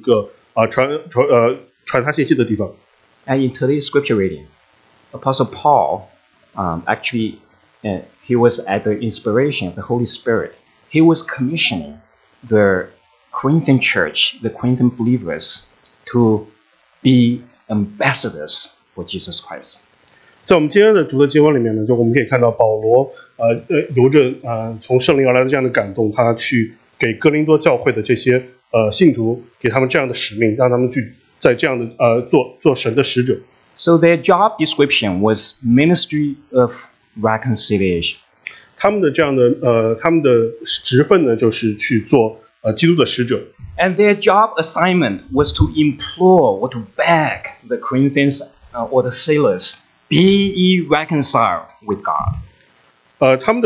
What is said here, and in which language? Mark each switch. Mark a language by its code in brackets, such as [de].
[zh] 就是在这样一个对神充满敌意的地方,神通过保罗在这个城里面建立了一个他的这样的一个传他信息的地方。 [en] And in today's scripture reading, Apostle Paul, he was at the inspiration of the Holy Spirit. He was commissioning the Corinthian church, the Corinthian believers, to be ambassadors for Jesus Christ. [zh] 在我们今天的读的经文里面呢,就我们可以看到保罗由着从圣灵而来的这样的感动,他去给哥林多教会的这些信徒,给他们这样的使命,让他们去在这样的做神的使者。 [en] So their job description was ministry of reconciliation. [zh] 他们的职分呢,就是去做基督的使者。 [en] And their job assignment was to implore or to beg the Corinthians or the sailors, be ye reconciled with God.